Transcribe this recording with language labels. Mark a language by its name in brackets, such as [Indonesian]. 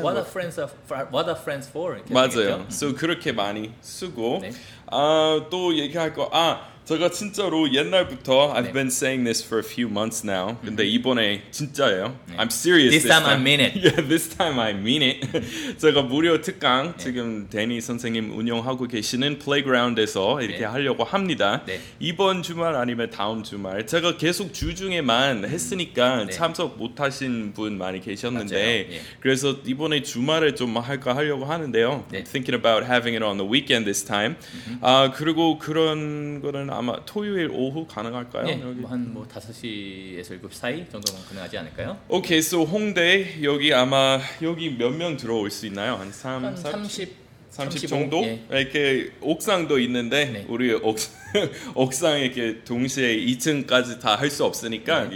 [English] What are friends are What are friends for? [Korean] 맞아요. 얘기했죠? So 그렇게 많이 쓰고 네. 또 얘기할 거 아. 제가 진짜로 옛날부터 네. [English] I've been saying this for a few months now. [Korean] 근데 이번에 진짜예요. 네. [English] I'm serious this time. I mean it. Yeah, this time I mean it. [Korean] 제가 무료 특강 네. 지금 데니 선생님 운영하고 계시는 플레이그라운드에서 이렇게 네. 하려고 합니다. 네. 이번 주말 아니면 다음 주말 제가 계속 주중에만 했으니까 네. 참석 못하신 분 많이 계셨는데 네. 그래서 이번에 주말에 좀 할까 하려고 하는데요. 네. [English] I'm thinking about having it on the weekend this time. [Korean] 아, 그리고 그런 거는 아마 토요일 오후 가능할까요? 네, 여기? 뭐 한 뭐 5시에서 7시 사이 정도면 가능하지 않을까요? 오케이, so 홍대 여기 아마 여기 몇 명 들어올 수 있나요? 한 30 정도? 네. 이렇게 옥상도 있는데 네. 우리 옥상에 이렇게 동시에 2층까지 다 할 수 없으니까 네.